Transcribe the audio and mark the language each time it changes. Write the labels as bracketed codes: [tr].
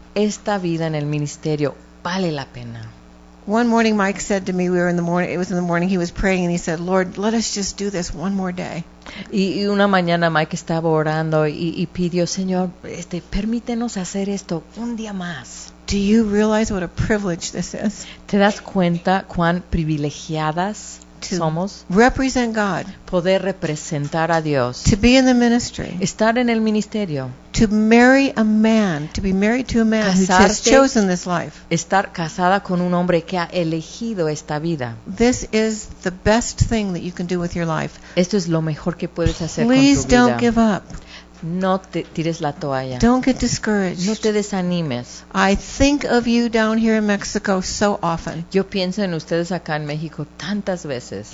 [es] Esta vida en el ministerio vale la pena. [en] One morning Mike said to me, we were in the morning, it was in the morning, he was praying and he said, Lord, let us just do this one more day. [es] Y una mañana Mike estaba orando y pidió, Señor, permítenos hacer esto un día más. [en] Do you realize what a privilege this is? [es] ¿Te das cuenta cuán privilegiadas [en] to [es] somos [en] represent God. [es] Poder representar a Dios. [en] To be in the ministry. [es] Estar en el ministerio. [en] To marry a man, to be married to a man [es] casarte, [en] who has chosen this life. [es] Estar casada con un hombre que ha elegido esta vida. [en] This is the best thing that you can do with your life. [es] Esto es lo mejor que puedes hacer [en] Please [es] con tu vida. [en] Please don't give up. [es] No te tires la toalla. [en] Don't get discouraged. [es] No te desanimes. [en] I think of you down here in Mexico so often. [es] Yo pienso en ustedes acá en México tantas veces.